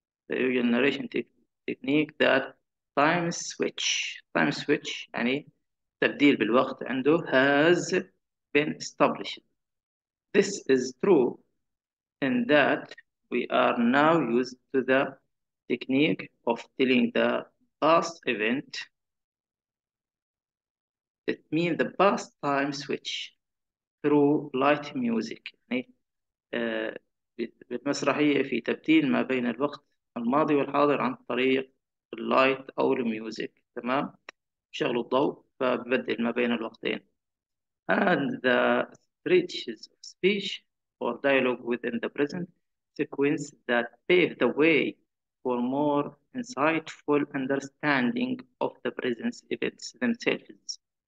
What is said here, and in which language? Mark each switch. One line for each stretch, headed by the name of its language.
English: The usual narration technique that time switch,
Arabic: يعني تبديل بالوقت عنده,
English: has been established. This is true in that we are now used to the technique of telling the past event. It means the past time switch through light music،
Arabic: يعني بمسرحية في تبديل ما بين الوقت الماضي والحاضر عن طريق اللايت أو الميوزك، تمام؟ شغل الضوء فبدل ما بين الوقتين.
English: And the bridges of speech or dialogue within the present sequence that pave the way for more insightful understanding of the present events themselves.